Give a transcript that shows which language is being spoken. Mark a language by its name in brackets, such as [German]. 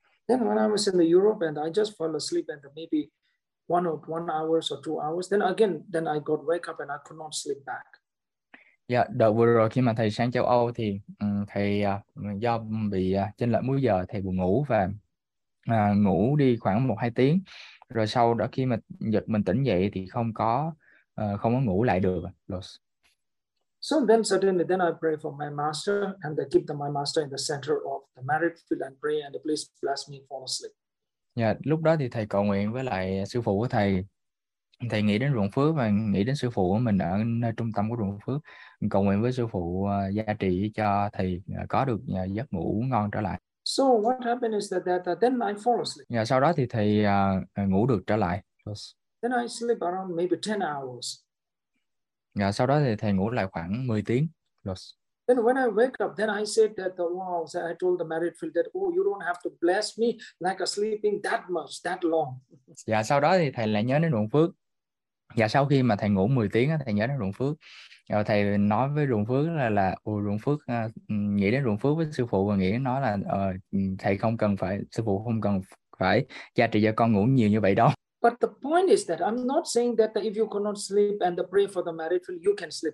[English] Then when I was in the Europe and I just fell asleep and maybe 1 or 1 hours or 2 hours, then again, then I got wake up and I could not sleep back. [Vietnamese] Dạ, đợt vừa rồi khi mà thầy sang châu Âu thì thầy do bị chênh lệch múi giờ thầy buồn ngủ và ngủ đi khoảng 1-2 tiếng, rồi sau đó khi mà giật mình tỉnh dậy thì không có ngủ lại được. Los. [English] So then suddenly then I pray for my master and they keep the my master in the center of the merit field and pray and please bless me fall asleep. [Vietnamese] Dạ, lúc đó thì thầy cầu nguyện với lại sư phụ của thầy. Thầy nghĩ đến ruộng phước và nghĩ đến sư phụ của mình ở nơi trung tâm của ruộng phước. Cầu nguyện với sư phụ gia trì cho thầy có được giấc ngủ ngon trở lại. [English] So what happened is that then I fall asleep. [Vietnamese] Dạ, sau đó thì thầy ngủ được trở lại. Los. [English] Then I sleep around maybe 10 hours. [Vietnamese] Dạ, sau đó thì thầy ngủ lại khoảng 10 tiếng. Los. [English] Then when I wake up, then I said that wow, I told the merit field that oh, you don't have to bless me like a sleeping that much, that long. [Vietnamese] Dạ, sau đó thì thầy lại nhớ đến ruộng phước. Dạ, sau khi mà thầy ngủ 10 tiếng thầy nhớ đến ruộng phước. Rồi thầy nói với ruộng phước là ồ, ruộng phước nghĩ đến ruộng phước với sư phụ và nghĩ đến nó là thầy không cần phải sư phụ không cần phải gia trì cho con ngủ nhiều như vậy đâu. [English] But the point is that I'm not saying that if you cannot sleep and the pray for the merit field, you can sleep.